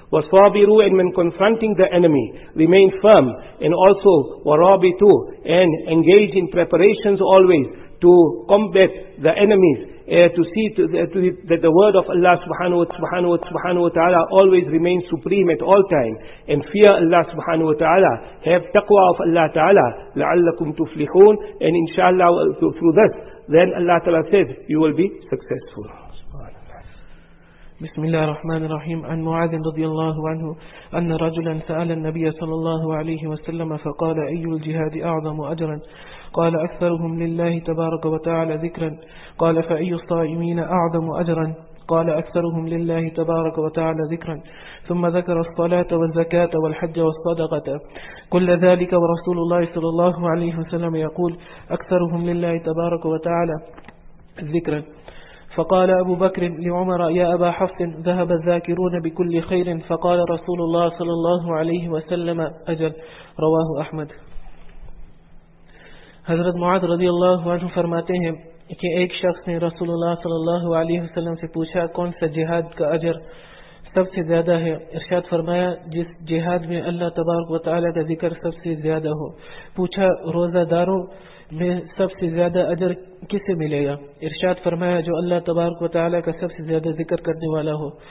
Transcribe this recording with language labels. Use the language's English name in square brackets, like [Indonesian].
[English] Wasabiru, and when confronting the enemy, remain firm, and also warabitu, and engage in preparations always to combat the enemies, to see that the word of Allah subhanahu wa ta'ala always remains supreme at all time, and fear Allah subhanahu wa ta'ala, have taqwa of Allah ta'ala, [Arabic] la'allakum tuflihun, [English] and inshallah through this, then Allah ta'ala says, you will be successful. [Arabic] بسم الله الرحمن الرحيم. عن معاذ رضي الله عنه أن رجلا سأل النبي صلى الله عليه وسلم فقال أي الجهاد أعظم أجرا؟ قال أكثرهم لله تبارك وتعالى ذكرا. قال فأي الصائمين أعظم أجرا؟ قال أكثرهم لله تبارك وتعالى ذكرا. ثم ذكر الصلاة والزكاة والحج والصدقة كل ذلك، ورسول الله صلى الله عليه وسلم يقول أكثرهم لله تبارك وتعالى ذكرا. فقال أبو بكر لعمر يا أبا حفص ذهب الذاكرون بكل خير، فقال رسول الله صلى الله عليه وسلم أجل. رواه أحمد. [Urdu] حضرت معاذ رضي الله عنه فرماتے ہیں کہ ایک شخص نے رسول اللہ صلی اللہ علیہ وسلم سے پوچھا کون سا جہاد کا اجر سب سے زیادہ ہے. ارشاد فرمایا جس جہاد میں اللہ تبارک و تعالی کا ذکر سب سے زیادہ ہو. پوچھا روزہ داروں میں سب سے زیادہ اجر کسے ملے گا؟ ارشاد فرمایا جو اللہ تبارک و تعالی کا سب سے زیادہ ذکر کرنے والا ہو.